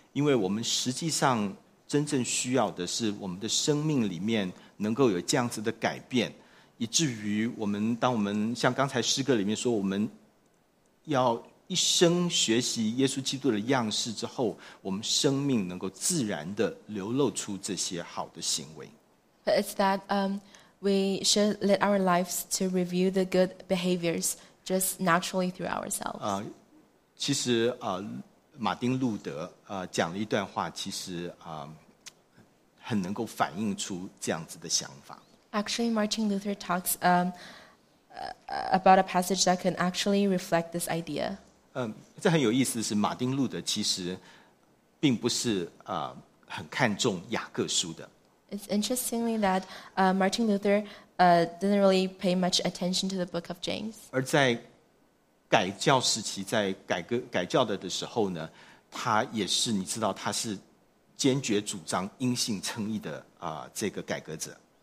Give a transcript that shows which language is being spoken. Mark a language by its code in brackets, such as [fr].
[zh] 因为我们实际上真正需要的是我们的生命里面能够有这样子的改变，以至于我们当我们像刚才诗歌里面说，我们要一生学习耶稣基督的样式之后，我们生命能够自然的流露出这些好的行为。 [en] But it's that we should let our lives to review the good behaviors just naturally through ourselves. [zh] 其实马丁路德讲了一段话，其实很能够反映出这样子的想法。 [en] Actually, Martin Luther talks about a passage that can actually reflect this idea. [zh] 这很有意思的是，马丁路德其实并不是很看重雅各书的。 [en] It's interestingly that Martin Luther didn't really pay much attention to the book of James. [zh] 而在改教时期，在改教的时候呢，他也是你知道，他是坚决主张因信称义的这个改革者。